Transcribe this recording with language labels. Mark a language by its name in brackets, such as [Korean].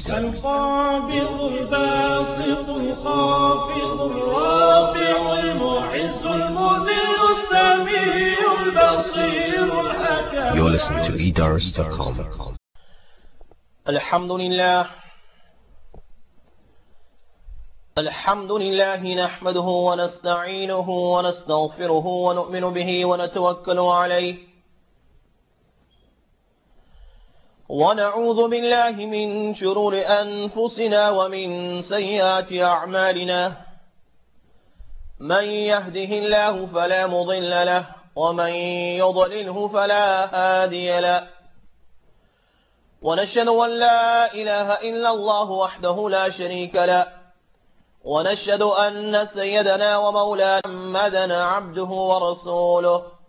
[Arabic] القابض الباسط الخافض الرافع المعز المذل السميع البصير الحكيم. [English] You're listening to Eidars.com. [Arabic] الحمد لله الحمد لله نحمده ونستعينه ونستغفره ونؤمن به ونتوكل عليه ونعوذ بالله من شرور أنفسنا ومن سيئات أعمالنا من يهده الله فلا مضل له ومن يضلله فلا هادي له ونشهد أن لا إله إلا الله وحده لا شريك له ونشهد أن سيدنا ومولانا محمدًا عبده ورسوله